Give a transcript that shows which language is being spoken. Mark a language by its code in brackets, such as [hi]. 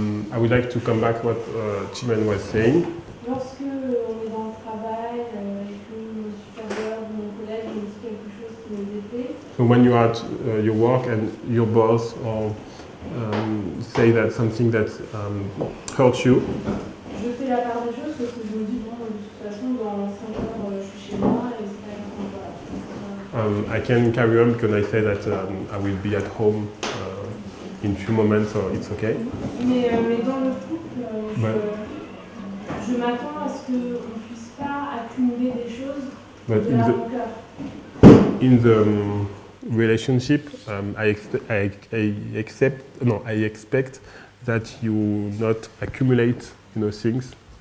[en] I would like to come back what Chimène was saying. [fr] Lorsque on est dans le travail et que mon supérieur ou mon collègue me dit quelque chose qui nous déplaît. [en] So when you are at your work and your boss or say that something that hurts you. [fr] Je fais la part des choses parce que je me dis bon, de toute façon dans 5 heures je suis chez moi et c'est pas grave. [en] I can carry on because I say that I will be at home. In few moments, so it's okay. [fr] Mais dans le couple, je m'attends à ce que on puisse pas accumuler des choses de la rancœur. [en] In the relationship, I expect that you not accumulate, you know, things.